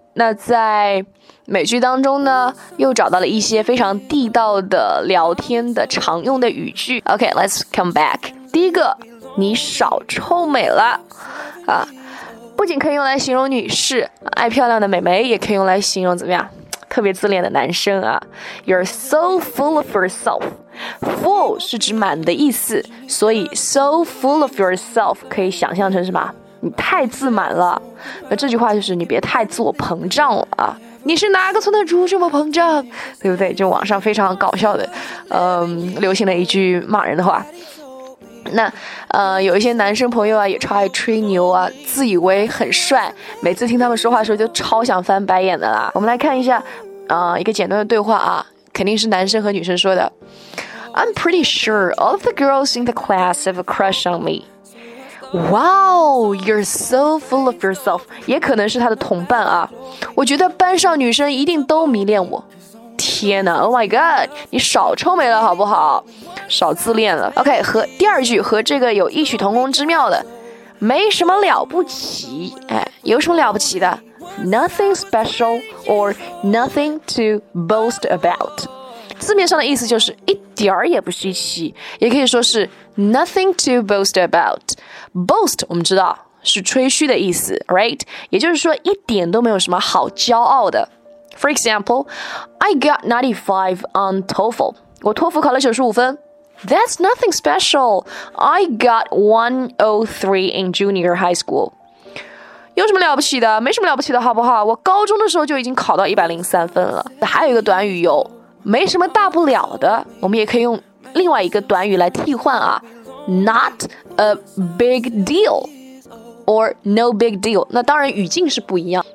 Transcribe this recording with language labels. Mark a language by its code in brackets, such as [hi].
[zh] 那在美剧当中呢，又找到了一些非常地道的聊天的常用的语句。 [en] Okay, let's come back. [zh] 第一个，你少臭美了啊，不仅可以用来形容女士，爱漂亮的美眉，也可以用来形容怎么样？特别自恋的男生啊 [en] You're so full of yourself. [zh] Full 是指满的意思，所以 [en] so full of yourself [zh] 可以想象成什么？你太自满了。那这句话就是你别太自我膨胀了啊！你是哪个村的猪这么膨胀，对不对？就网上非常搞笑的流行的一句骂人的话。那有一些男生朋友啊也超爱吹牛啊，自以为很帅，每次听他们说话的时候就超想翻白眼的啦。我们来看一下一个简单的对话啊，肯定是男生和女生说的。 [en] I'm pretty sure all of the girls in the class have a crush on me. Wow, you're so full of yourself. [zh] 也可能是他的同伴啊，我觉得班上女生一定都迷恋我。天哪 ， [en] Oh my God！ [zh] 你少臭美了好不好？少自恋了。OK， 和第二句和这个有异曲同工之妙的，没什么了不起。哎，有什么了不起的 [en] ？Nothing special or nothing to boast about。 [zh] 字面上的意思就是一点儿也不稀奇，也可以说是 [en] nothing to boast about。 [zh] Boast 我们知道是吹嘘的意思 ，right？ 也就是说一点都没有什么好骄傲的。 [en] For example, I got 95 on TOEFL. [zh] 我托福考了95分。 [en] That's nothing special. I got 103 in junior high school. [zh] 有什么了不起的？没什么了不起的，好不好？我高中的时候就已经考到103分了。还有一个短语有，没什么大不了的，我们也可以用另外一个短语来替换啊。 [en] Not a big deal. Or no big deal. [zh] 那当然语境是不一样。